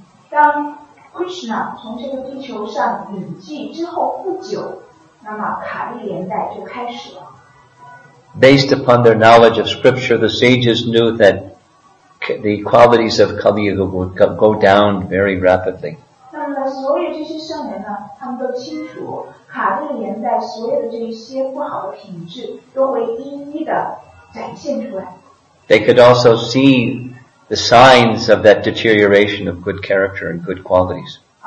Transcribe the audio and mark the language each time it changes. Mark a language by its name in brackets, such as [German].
[Chinese] 当 Krishna 从这个地球上陨寂之后不久, 那么卡利年代就开始了。 [English] Based upon their knowledge of scripture, the sages knew that the qualities of Kali Yuga would go down very rapidly. [Chinese] 那么所有这些圣人呢，他们都清楚卡利年代所有的这些不好的品质都会一一的展现出来。 [English] They could also see the signs of that deterioration of good character and good qualities.